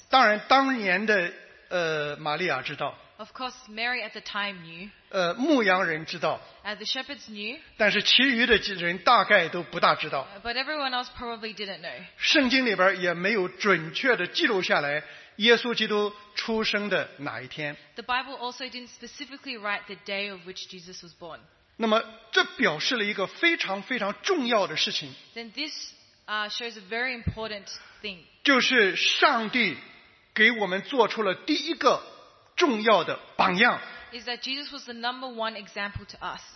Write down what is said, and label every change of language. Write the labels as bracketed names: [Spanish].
[Chinese] 当然，当年的玛利亚知道。 [English] Of course, Mary at the time knew. [Chinese] 牧羊人知道。 [English] The shepherds knew. [Chinese] 但是其余的人大概都不大知道。 [English] But everyone else probably didn't know. [Chinese] 圣经里边也没有准确的记录下来耶稣基督出生的哪一天。 [English] The Bible also didn't specifically write the day of which Jesus was born. [Chinese] 那么这表示了一个非常非常重要的事情。 [English] Then this shows a very important thing. [Chinese] 就是上帝给我们做出了第一个重要的榜样 [English] is that Jesus was the number one example to us